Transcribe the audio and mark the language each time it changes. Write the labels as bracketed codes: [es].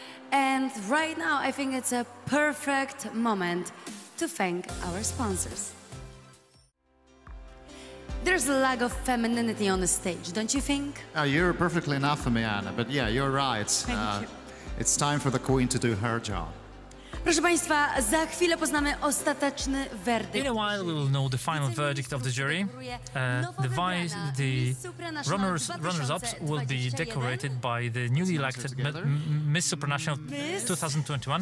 [en] And right now, I think it's a perfect moment to thank our sponsors. There's a lack of femininity on the stage, don't you think? You're perfectly enough for me, Anna, but yeah, you're right. Thank you. It's time for the queen to do her job. [pl] Proszę Państwa, za chwilę poznamy ostateczny werdykt. [en] In a while we will know the final verdict of the jury. The runners-ups will be decorated by the newly elected Miss Supranational 2021.